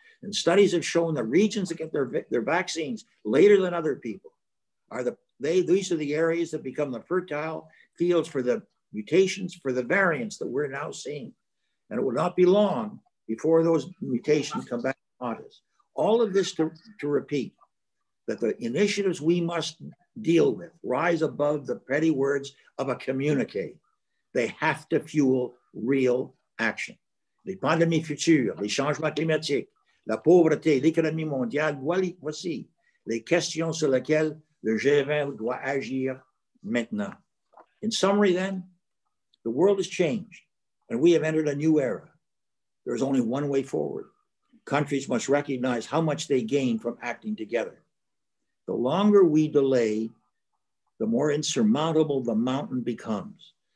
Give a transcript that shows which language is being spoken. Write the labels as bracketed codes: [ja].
[en] And studies have shown that regions that get their vaccines later than other people are these are the areas that become the fertile fields for the mutations, for the variants that we're now seeing. And it will not be long before those mutations come back to haunt us. All of this to repeat that the initiatives we must deal with rise above the petty words of a communique. They have to fuel real action. [fr] Les pandémies futures, les changements climatiques, la pauvreté, l'économie mondiale, voici les questions sur lesquelles le G20 doit agir maintenant. [en] In summary then, the world has changed and we have entered a new era. There's only one way forward. Countries must recognize how much they gain from acting together. The longer we delay, the more insurmountable the mountain becomes.